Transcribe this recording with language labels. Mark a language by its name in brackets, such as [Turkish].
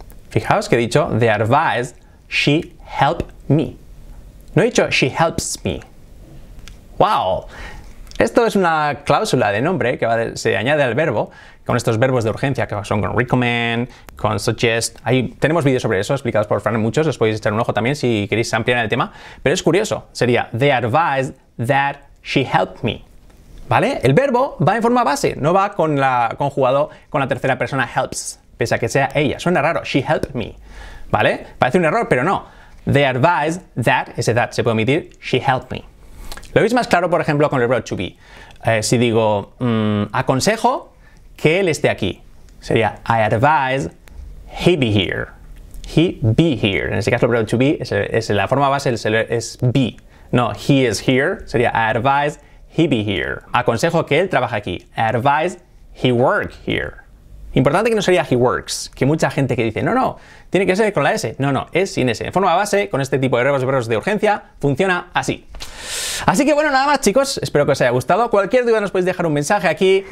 [Spanish] Fijaos que he dicho [English] they advise she help me. [Spanish] No he dicho [English] she helps me. [Spanish] ¡Wow! Esto es una cláusula de nombre que se añade al verbo con estos verbos de urgencia que son con recommend, con suggest. Ahí tenemos vídeos sobre eso explicados por Fran muchos. Os podéis echar un ojo también si queréis ampliar el tema. Pero es curioso. Sería [English] they advise that she helped me. [Spanish] ¿Vale? El verbo va en forma base, no va con la conjugado con la tercera persona helps, pese a que sea ella. Suena raro, [English] she helped me. [Spanish] ¿Vale? Parece un error, pero no. [English] They advise that, ese that [Spanish] se puede omitir, [English] she helped me. [Spanish] Lo veis más claro, por ejemplo, con el verbo to be. Si digo, aconsejo que él esté aquí. [English] Sería, I advise he be here. He be here. [Spanish] En ese caso, el verbo to be es la forma base, es be. [English] No, he is here. Sería, I advise he be here. [Spanish] Aconsejo que él trabaje aquí. [English] I advise he work here. [Spanish] Importante que no sería he works, que mucha gente que dice, no, no, tiene que ser con la S. No, no, es sin S. En forma base, con este tipo de verbos de urgencia, funciona así. Así que bueno, nada más chicos, espero que os haya gustado. Cualquier duda nos podéis dejar un mensaje aquí.